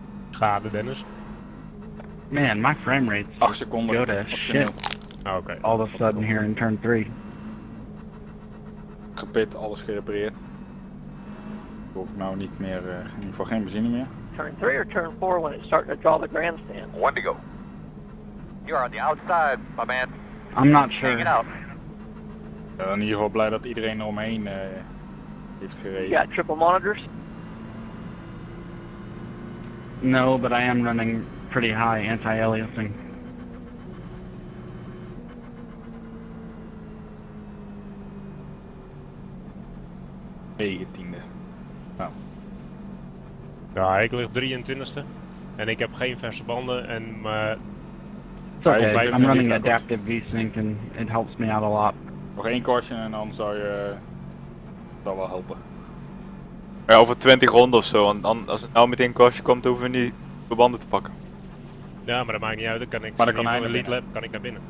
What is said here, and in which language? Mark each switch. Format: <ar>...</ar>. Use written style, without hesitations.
<nl>Schade, Dennis.</nl> <en>Man, my frame rate.</en> <nl>8 seconden.</nl> <en>Go to shit. Okay. All of a sudden here in turn 3.</en> <nl>Gepit, alles gerepareerd. hoef ik nou niet meer, in ieder geval geen benzine meer.</nl> <en>Turn 3 or turn 4 when it's starting to draw the grandstand? One to go. You're on the outside, my man. I'm not sure. Hang it out.</en> <nl>In ieder geval blij dat iedereen eromheen heeft gereden.</nl> <en>You got triple monitors? No, but I am running pretty high anti-aliasing.</en> <nl>Negentiende. Nou. Ja, ik lig 23ste. En ik heb geen verse banden en</nl> <en>Sorry, I'm running adaptive V-sync and it helps me out a lot.</en> <nl>Nog één kortje en dan zou je dat wel helpen. Ja, over 20 ronden of zo, want dan, als het nou meteen kortje komt, dan hoeven we niet de banden te pakken. Ja, maar dat maakt niet uit, dan kan ik maar dan kan hij de lead lap kan ik naar binnen.</nl>